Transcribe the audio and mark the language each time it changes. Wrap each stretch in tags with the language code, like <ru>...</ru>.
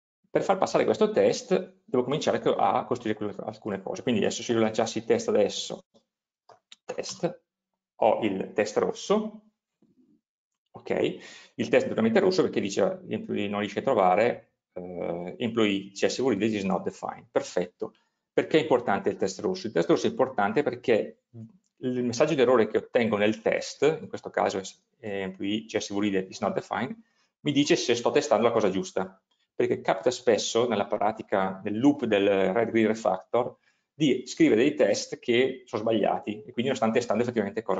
<it>Per far passare questo test devo cominciare a costruire alcune cose. Quindi adesso se io lanciassi il test adesso, test, ho il test rosso, ok, il test è totalmente rosso perché dice non riesce a trovare.</it> <en>Employee CSV reader is not defined.</en> <it>Perfetto. Perché è importante il test rosso? Il test rosso è importante perché il messaggio d'errore che ottengo nel test, in questo caso</it> <en>employee CSV reader is not defined,</en> <it>mi dice se sto testando la cosa giusta. Perché capita spesso nella pratica, nel loop del read-read refactor, di scrivere dei test che sono sbagliati e quindi non stanno testando effettivamente cosa.</it>